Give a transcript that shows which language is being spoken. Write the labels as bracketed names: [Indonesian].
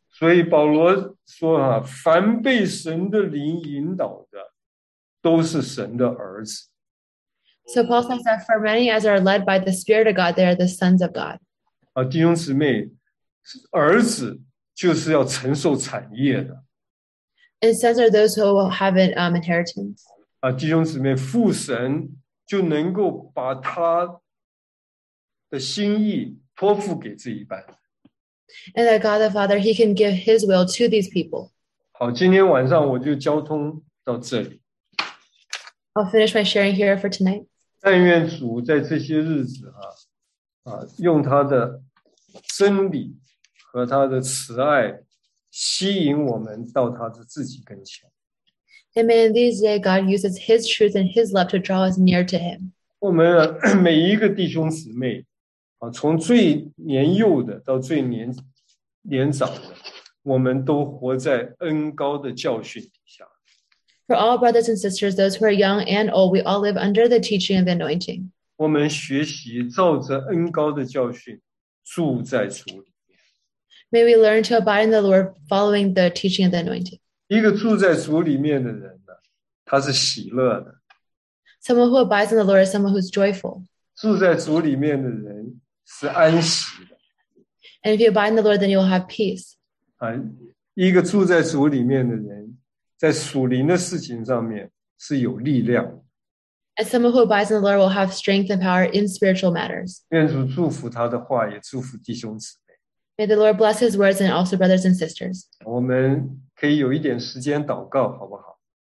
[Chinese] 所以保罗说啊，凡被神的灵引导的，都是神的儿子。 [English] So Paul says that for many as are led by the Spirit of God, they are the sons of God. [Chinese] 啊，弟兄姊妹，儿子就是要承受产业的。 [English] And sons are those who will have an inheritance. [Chinese] 啊，弟兄姊妹，父神就能够把他的心意托付给这一班。 [English] And that God the Father, He can give His will to these people. [Chinese] 好，今天晚上我就交通到这里。 [English] I'll finish my sharing here for tonight. [Chinese] 但愿主在这些日子啊，啊，用他的真理和他的慈爱吸引我们到他的自己跟前。 [English] And may in these days God uses His truth and His love to draw us near to Him. [Chinese] 我们每一个弟兄姊妹，啊，从最年幼的到最年长的，我们都活在恩高的教训底下。 [English] For all brothers and sisters, those who are young and old, we all live under the teaching of the anointing. [Chinese] 我们学习照着恩高的教训住在主里面。 [English] May we learn to abide in the Lord, following the teaching of the anointing. [Chinese] 一个住在主里面的人呢，他是喜乐的。 [English] Someone who abides in the Lord is someone who's joyful. [Chinese] 住在主里面的人是安息的。 [English] And if you abide in the Lord, then you will have peace. [Chinese] 啊，一个住在主里面的人，在属灵的事情上面是有力量。 [English] And someone who abides in the Lord will have strength and power in spiritual matters. [Chinese] 愿主祝福他的话，也祝福弟兄姊妹。 [English] May the Lord bless his words and also brothers and sisters. [Chinese] 我们。可以有一点时间祷告，好不好